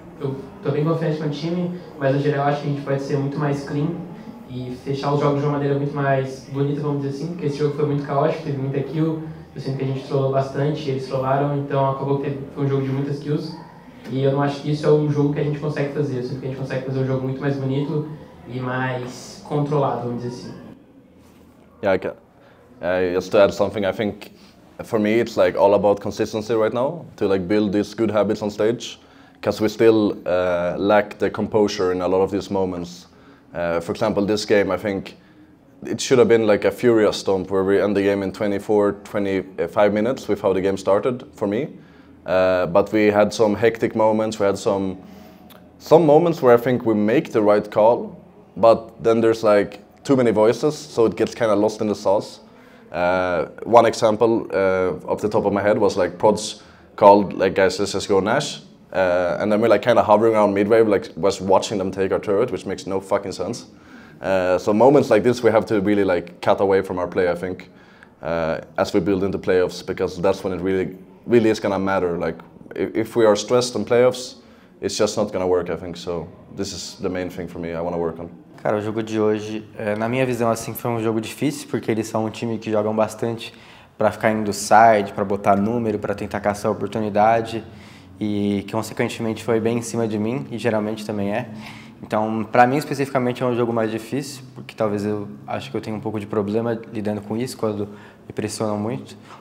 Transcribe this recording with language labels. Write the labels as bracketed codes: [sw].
[pt] Eu tô bem confiante com o time, mas, no geral, eu acho que a gente pode ser muito mais clean e fechar os jogos de uma maneira muito mais bonita, vamos dizer assim, porque esse jogo foi muito caótico, teve muita kill, eu sinto que a gente trollou bastante, eles trollaram, então acabou que foi um jogo de muitas kills. E eu não acho que isso é um jogo que a gente consegue fazer. Eu sinto que a gente consegue fazer um jogo muito mais bonito e mais controlado, vamos dizer assim. [en] Yeah, just to add something, I think for me it's like all about consistency right now to like build these good habits on stage, because we still lack the composure in a lot of these moments. For example, this game, I think it should have been like a furious stomp where we end the game in 24, 25 minutes with how the game started for me. But we had some hectic moments, we had some moments where I think we make the right call, but then there's like too many voices, so it gets kind of lost in the sauce. One example off the top of my head was like Prods called like, guys, let's just go Nash. And then we're like kind of hovering around midwave, like was watching them take our turret, which makes no fucking sense. So moments like this, we have to really like cut away from our play, I think, as we build into playoffs, because that's when it really is gonna matter. Like if we are stressed in playoffs, it's just not gonna work, I think. So this is the main thing for me I want to work on. [pt] Cara, o jogo de hoje, na minha visão, assim, foi um jogo difícil, porque eles são um time que jogam bastante para ficar indo side, para botar número, para tentar caçar oportunidade. e consequentemente foi bem em cima de mim, e geralmente também é. Então, para mim especificamente é um jogo mais difícil, porque talvez eu acho que eu tenho um pouco de problema lidando com isso, quando me pressionam muito.